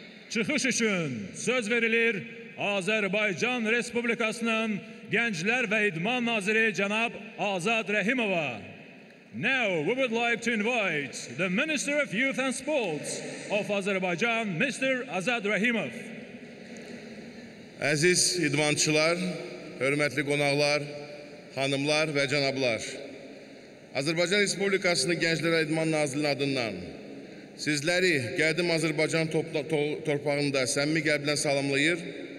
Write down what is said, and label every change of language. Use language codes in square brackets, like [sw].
[az] çıxış üçün söz verilir Azərbaycan Respublikasının Gənclər və İdman Naziri Cənab Azad Rəhimova. [en] Now we would like to invite the Minister of Youth and Sports of Azerbaijan, Mr. Azad Rahimov. [az] Əziz idmançılar, hörmətli qonaqlar, xanımlar və cənablar. Azərbaycan Respublikasının Gənclər və İdman Nazirliyinin adından sizləri qədim Azərbaycan torpağında səmimi qəlbdən salamlayır.